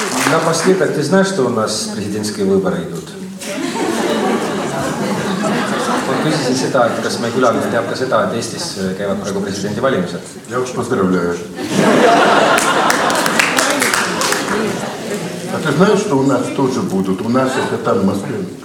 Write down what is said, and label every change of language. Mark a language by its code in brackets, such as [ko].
[ru] Напоследок, ты знаешь, что у нас президентские выборы идут? [et] Вот küsisin seda, et kas meie külaline teab ka seda, et Eestis käivad praegu presidenti valimised. [ru] Я уж поздравляю. А ты знаешь, что у нас тоже будут? У нас это там в Москве.